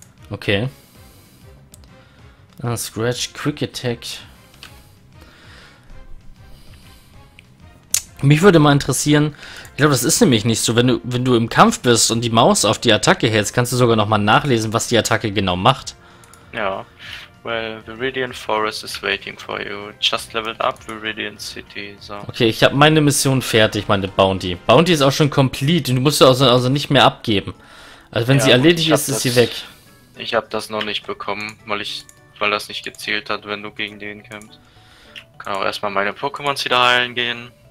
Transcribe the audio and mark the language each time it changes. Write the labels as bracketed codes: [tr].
[en] Okay. Ah, Scratch, Quick Attack. [de] Mich würde mal interessieren, ich glaube, das ist nämlich nicht so, wenn du im Kampf bist und die Maus auf die Attacke hältst, kannst du sogar nochmal nachlesen, was die Attacke genau macht. [en] Ja, well, Viridian Forest is waiting for you. Just leveled up Viridian City, so. [de] Okay, ich habe meine Mission fertig, meine Bounty. Bounty ist auch schon complete, du musst sie also nicht mehr abgeben. Also wenn ja, sie erledigt ist, ist sie weg. Ich habe das noch nicht bekommen, weil das nicht gezählt hat, wenn du gegen den kämpfst. Kann auch erstmal meine Pokémons wieder heilen gehen.